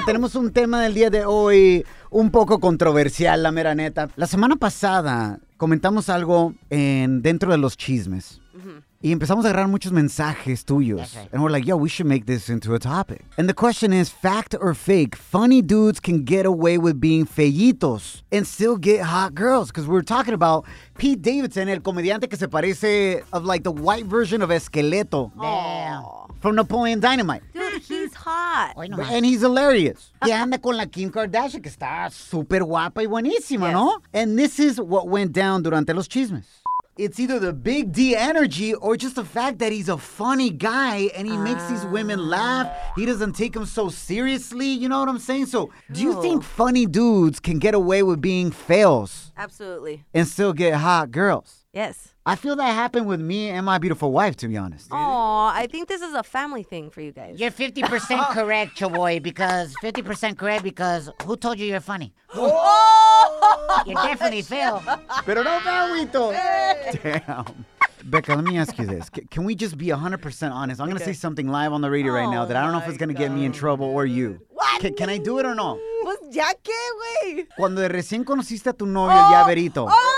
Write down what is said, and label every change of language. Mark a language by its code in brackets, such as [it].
[es] Tenemos un tema del día de hoy un poco controversial, la mera neta. La semana pasada comentamos algo dentro de los chismes. Y empezamos a agarrar muchos mensajes tuyos. [en] Right. And we're like, yo, we should make this into a topic. And the question is, fact or fake, funny dudes can get away with being feyitos and still get hot girls. Because we're talking about Pete Davidson, [es] el comediante que se parece [en] of like the white version of Esqueleto. Damn. From Napoleon Dynamite. Dude, he's hot. And he's hilarious. [es] Y anda con la Kim Kardashian, que está super guapa y buenísima, ¿no? [en] And this is what went down [es] durante los chismes. [en] It's either the big D energy or just the fact that he's a funny guy and he makes these women laugh. He doesn't take them so seriously. You know what I'm saying? So do you think funny dudes can get away with being fails? Absolutely. And still get hot girls? Yes. I feel that happened with me and my beautiful wife, to be honest. Aw, I think this is a family thing for you guys. You're 50% correct, Chavoy, because 50% correct because who told you you're funny? You definitely fail. [es] Pero no, [en] Agüito. Damn. Becca, let me ask you this. Can we just be 100% honest? I'm going to say something live on the radio right now that I don't know if it's going to get me in trouble or you. What? Can I do it or no? [es] Pues ya que, güey. Cuando recién conociste a tu novio, ya verito.